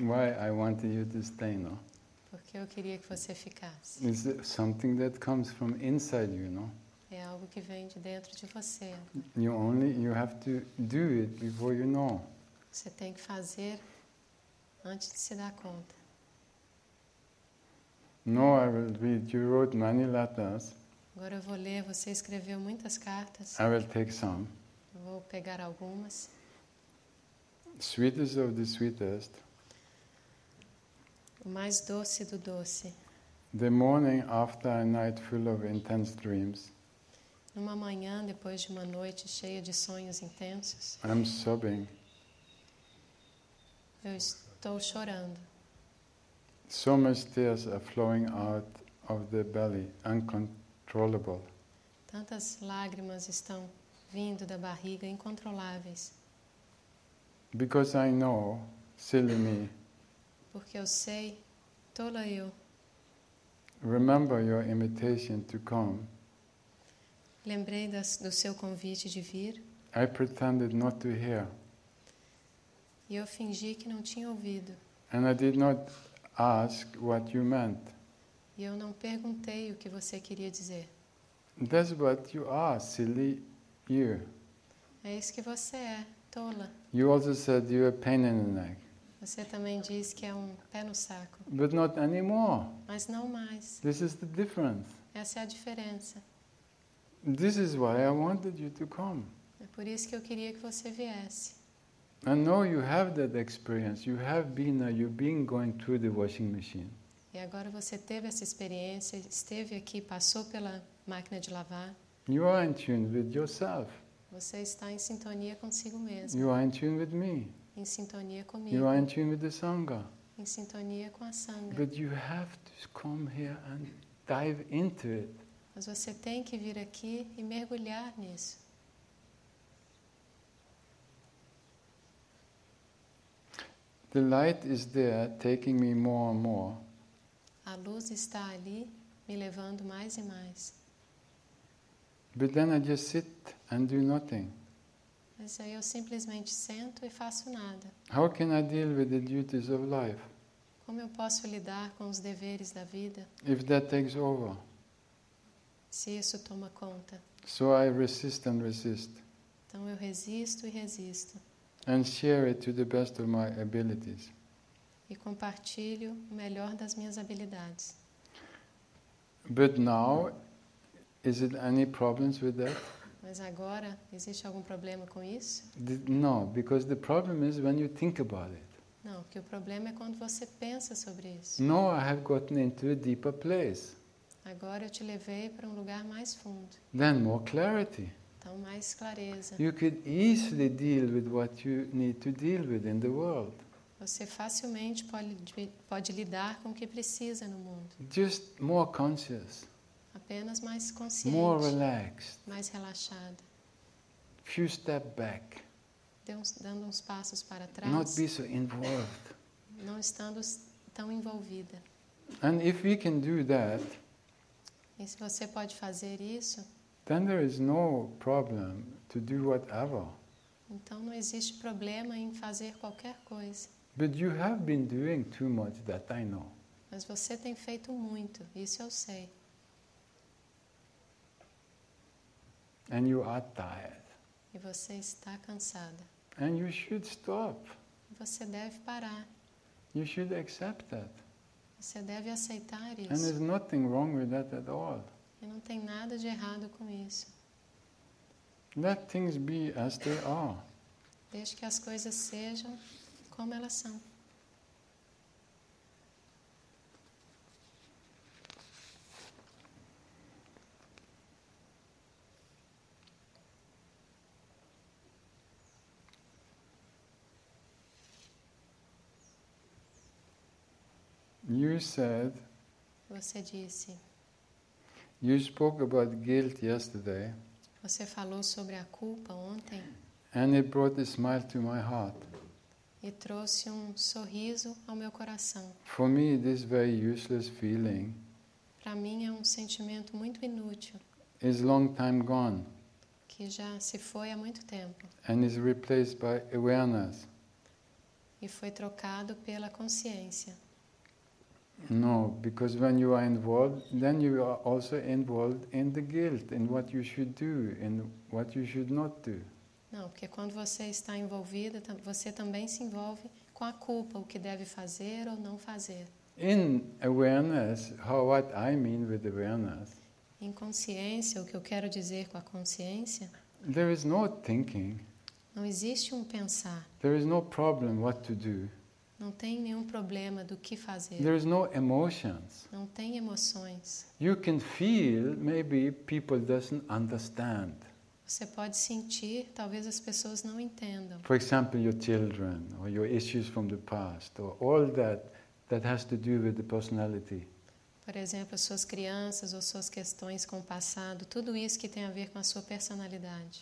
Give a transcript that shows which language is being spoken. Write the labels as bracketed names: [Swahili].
[English] Why I wanted you to stay, no? [Portuguese] Porque eu queria que você ficasse. [English] Is it something that comes from inside you, no? [Portuguese] É algo que vem de dentro de você. [English] You have to do it before you know. [Portuguese] Você tem que fazer antes de se dar conta. [English] No, I will read. You wrote many letters. [Portuguese] Agora eu vou ler. Você escreveu muitas cartas. [English] I will take some. [Portuguese] Vou pegar algumas. [English] Sweetest of the sweetest. [Portuguese] O mais doce do doce. [English] The morning after a night full of intense dreams. [Portuguese] Numa manhã, depois de uma noite cheia de sonhos intensos, [English] I'm sobbing. [Portuguese] Eu estou chorando. [English] So much tears are flowing out of the belly, uncontrollable. [Portuguese] Tantas lágrimas estão vindo da barriga, incontroláveis. [English] Because I know, silly me. [Portuguese] Porque eu sei, tola eu. [English] Remember your invitation to come. [Portuguese] Lembrei do seu convite de vir. [English] I pretended not to hear. [Portuguese] E eu fingi que não tinha ouvido. [English] And I did not ask what you meant. [Portuguese] E eu não perguntei o que você queria dizer. [English] That's what you are, silly you. [Portuguese] É isso que você é, tola. [English] You also said you're a pain in the neck. [Portuguese] Você também diz que é um pé no saco. [English] But not anymore. [Portuguese] Mas não mais. [English] This is the difference. [Portuguese] Essa é a diferença. [English] This is why I wanted you to come. [Portuguese] É por isso que eu queria que você viesse. [English] I know you have that experience. You have been you've been going through the washing machine. [Portuguese] E agora você teve essa experiência, esteve aqui, passou pela máquina de lavar. [English] You are in tune with yourself. [Portuguese] Você está em sintonia consigo mesmo. [English] You are in tune with me. [Portuguese] Em sintonia comigo. [English] You are in tune with the Sangha. [Portuguese] Em sintonia com a Sangha. [English] But you have to come here and dive into it. [Portuguese] Mas você tem que vir aqui e mergulhar nisso. [English] The light is there, taking me more and more. [Portuguese] A luz está ali, me levando mais e mais. [English] But then I just sit and do nothing. [Portuguese] Mas aí eu simplesmente sento e faço nada. [English] How can I deal with the duties of life? [Portuguese] Como eu posso lidar com os deveres da vida? [English] If that takes over. [Portuguese] Se isso toma conta. [English] So I resist and resist. [Portuguese] Então eu resisto e resisto. [English] And share it to the best of my abilities. [Portuguese] E compartilho o melhor das minhas habilidades. [English] But now, is it any problems with that? [Portuguese] Mas agora, existe algum problema com isso? [English] No, because the problem is when you think about it. [Portuguese] Não, porque o problema é quando você pensa sobre isso. [English] No, I have gotten into a deeper place. [Portuguese] Agora eu te levei para um lugar mais fundo. [English] Then more clarity. [Portuguese] Então, mais clareza. [English] You could easily deal with what you need to deal with in the world. [Portuguese] Você facilmente pode lidar com o que precisa no mundo. [English] Just more conscious. [Portuguese] Apenas mais consciente. [English] More relaxed. [Portuguese] Mais relaxada. [English] Few step back. [Portuguese] Dando uns passos para trás. [English] Not be so involved. [Portuguese] Não estando tão envolvida. [English] And if we can do that. [Portuguese] E se você pode fazer isso? [English] Then there is no problem to do whatever. [Portuguese] Então não existe problema em fazer qualquer coisa. [English] But you have been doing too much, that I know. [Portuguese] Mas você tem feito muito, isso eu sei. [English] And you are tired. [Portuguese] E você está cansada. [English] And you should stop. [Portuguese] Você deve parar. [English] You should accept that. [Portuguese] Você deve aceitar isso. [English] And there's nothing wrong with that at all. [Portuguese] E não tem nada de errado com isso. [English] Let things be as they are. [Portuguese] Deixe que as coisas sejam como elas são. [English] You said. [Portuguese] Você disse. [English] You spoke about guilt yesterday. [Portuguese] Você falou sobre a culpa ontem. [English] And it brought a smile to my heart. [Portuguese] E trouxe um sorriso ao meu coração. [English] For me, this very useless feeling. [Portuguese] Para mim é um sentimento muito inútil. [English] Is long time gone. [Portuguese] Que já se foi há muito tempo. [English] And is replaced by awareness. [Portuguese] E foi trocado pela consciência. [English] No, because when you are involved, then you are also involved in the guilt, in what you should do, in what you should not do. [Portuguese] Não, porque quando você está envolvida, você também se envolve com a culpa, o que deve fazer ou não fazer. [English] In awareness, how what I mean with awareness. [Portuguese] Em consciência, o que eu quero dizer com a consciência. [English] There is no thinking. [Portuguese] Não existe um pensar. [English] There is no problem what to do. [Portuguese] Não tem nenhum problema do que fazer. [English] There is no emotions. [Portuguese] Não tem emoções. [English] You can feel maybe people doesn't understand. [Portuguese] Você pode sentir, talvez as pessoas não entendam. [English] For example, your children or your issues from the past or all that has to do with the personality. [Portuguese] Por exemplo, as suas crianças ou suas questões com o passado, tudo isso que tem a ver com a sua personalidade.